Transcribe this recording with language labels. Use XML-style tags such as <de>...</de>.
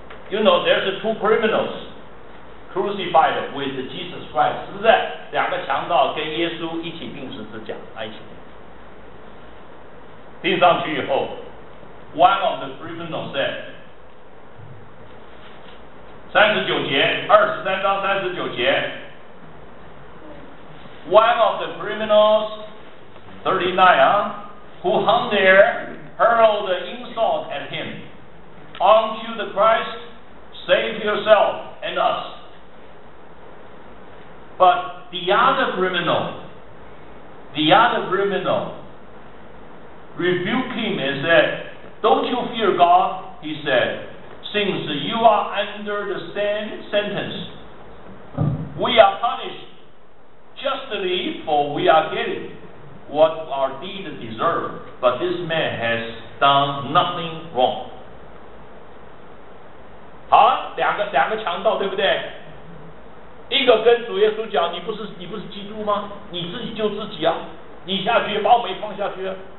<en>You know, there's two criminals crucified with Jesus Christ,</en> <zh>是不是？两个强盗跟耶稣一起钉十字架，一起钉上去以后。</zh> <en>One of the criminals said, 39:39, one of the criminals, 39, who hung there, hurled an insult at him, Aren't you the Christ? Save yourself and us. But the other criminal, rebuked him and said,Don't you fear God, he said, since you are under the same sentence. We are punished justly, for we are getting what our deed deserves, but this man has done nothing wrong.</en> <zh>好，两个强盗，对不对？一个跟主耶稣讲，你不是基督吗？你自己救自己啊，你下去把我们放下去。</zh>